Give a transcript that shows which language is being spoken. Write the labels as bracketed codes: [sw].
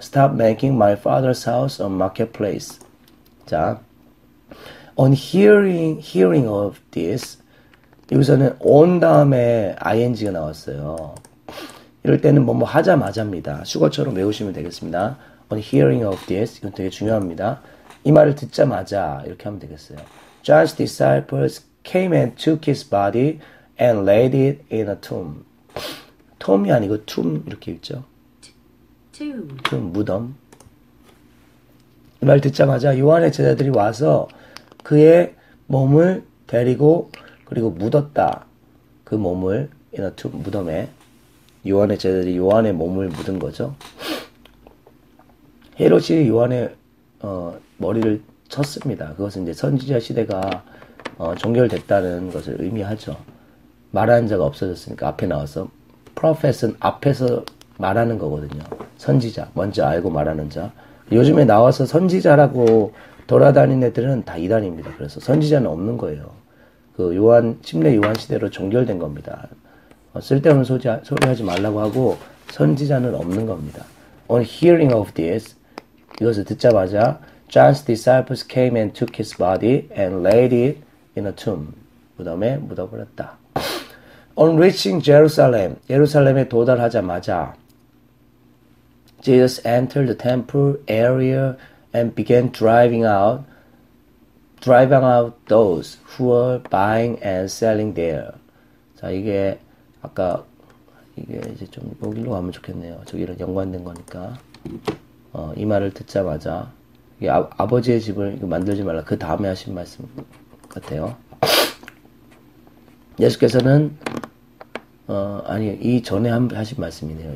[en] Stop making my father's house a marketplace. 자, on hearing of this, [ko] 여기서는 on 다음에 ing가 나왔어요. 이럴 때는 뭐뭐 하자마자입니다. 수거처럼 외우시면 되겠습니다. [en] On hearing of this, [ko] 이건 되게 중요합니다. 이 말을 듣자마자 이렇게 하면 되겠어요. [en] John's disciples came and took his body and laid it in a tomb. [ko] 톰이 아니고 툼 이렇게 읽죠. 툼 무덤. 이 말 듣자마자 요한의 제자들이 와서 그의 몸을 데리고 그리고 묻었다. 그 몸을 [en] in a tomb [ko] 무덤에. 요한의 제자들이 요한의 몸을 묻은 거죠. 헤롯이 요한의 머리를 쳤습니다. 그것은 이제 선지자 시대가 종결됐다는 것을 의미하죠. 말하는 자가 없어졌으니까 앞에 나와서 prophet은 앞에서 말하는 거거든요. 선지자, 먼저 알고 말하는 자. 요즘에 나와서 선지자라고 돌아다니는 애들은 다 이단입니다. 그래서 선지자는 없는 거예요. 그 요한, 침례 요한 시대로 종결된 겁니다. 쓸데없는 소리하지 말라고 하고 선지자는 없는 겁니다. [en] On hearing of this, [ko] 이것을 듣자마자 [en] John's disciples came and took his body and laid it in a tomb. [ko] 무덤에 묻어버렸다. [en] On reaching Jerusalem, [ko] 예루살렘에 도달하자마자 [en] Jesus entered the temple area and began driving out those who were buying and selling there. [ko] 자, 이게 아까 이게 이제 좀 여기로 가면 좋겠네요. 저기랑 연관된 거니까. 이 말을 듣자마자 이게 아버지의 집을 이거 만들지 말라. 그 다음에 하신 말씀 같아요. 예수께서는 이 전에 하신 말씀이네요.